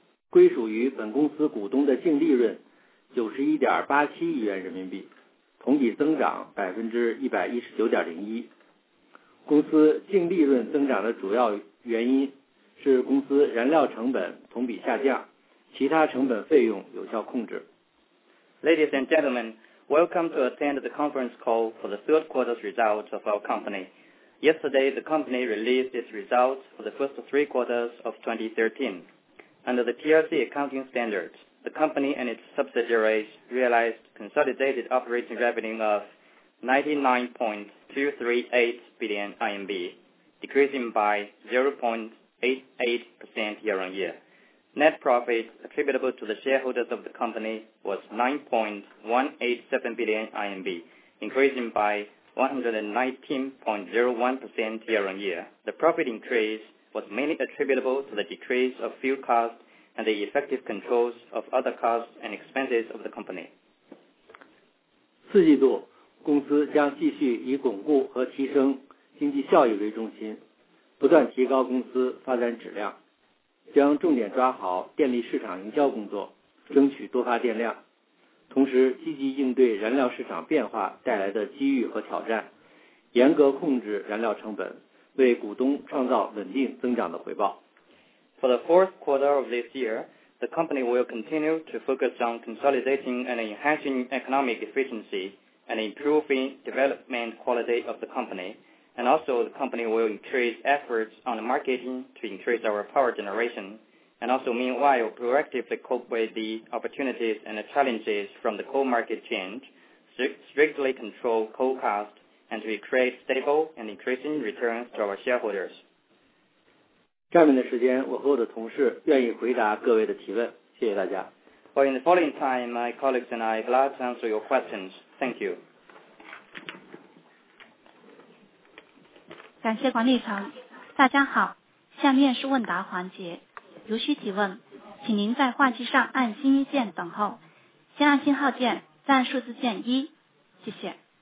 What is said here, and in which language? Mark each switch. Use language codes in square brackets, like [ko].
[zh] 归属于本公司股东的净利润91.87亿元人民币，同比增长119.01%。公司净利润增长的主要原因是公司燃料成本同比下降，其他成本费用有效控制。 [en] Ladies and gentlemen. Welcome to attend the conference call for the third quarter's results of our company. Yesterday, the company released its results for the first three quarters of 2013. Under the PRC accounting standards, the company and its subsidiaries realized consolidated operating revenue of 99.238 billion RMB, decreasing by 0.88% year-on-year. Net profit attributable to the shareholders of the company was 9.187 billion RMB, increasing by 119.01% year-on-year. The profit increase was mainly attributable to the decrease of fuel costs and the effective controls of other costs and expenses of the company. [zh] 四季度，公司将继续以巩固和提升经济效益为中心，不断提高公司发展质量。将重点抓好电力市场营销工作，争取多发电量，同时积极应对燃料市场变化带来的机遇和挑战，严格控制燃料成本，为股东创造稳定增长的回报。 [en] For the fourth quarter of this year, the company will continue to focus on consolidating and enhancing economic efficiency and improving development quality of the company. And also, the company will increase efforts on marketing to increase our power generation, and also meanwhile, proactively cope with the opportunities and the challenges from the coal market change, strictly control coal cost, and to create stable and increasing returns to our shareholders. [zh] 下面的时间，我和我的同事愿意回答各位的提问，谢谢大家。 [en] Well, in the following time, my colleagues and I glad to answer your questions. Thank you. [zh] 感谢管理层，大家好，下面是问答环节，如需提问，请您在话机上按星一键等候，先按星号键，再按数字键一，谢谢。